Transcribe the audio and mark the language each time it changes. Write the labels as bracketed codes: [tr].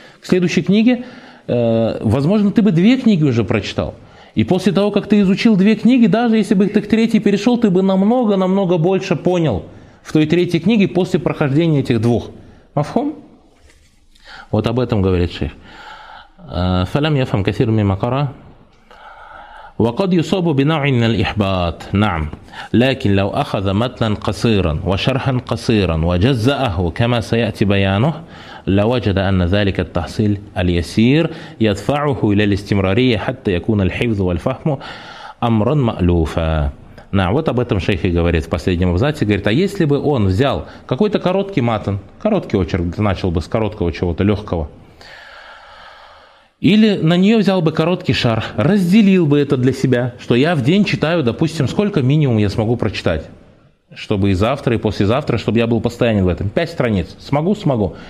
[ru] К следующей книге, возможно, ты бы две книги уже прочитал. И после того, как ты изучил две книги, даже если бы ты к третьей перешел, ты бы намного-намного больше понял в той третьей книге после прохождения этих двух. Мафхум? Вот об этом говорит шейх. [ar] Фалям яфам касир мимакара. وقد يصاب بنوع من الإحباط. نعم، لكن لو أخذ متنا قصيرا وشرحا قصيرا وجزأه كما سيأتي بيانه لوجد أن ذلك التحصيل اليسير يدفعه إلى الاستمرارية حتى يكون الحفظ والفهم أمرا مألوفا. [ru] Нам, вот об этом шейх и говорит в последнем абзаце. Говорит, а если бы он взял какой-то короткий матан, короткий очерк, начал бы с короткого чего-то легкого, или на нее взял бы короткий шарх, разделил бы это для себя, что я в день читаю, допустим, сколько минимум я смогу прочитать, чтобы и завтра, и послезавтра, чтобы я был постоянен в этом. 5 страниц. Смогу, смогу.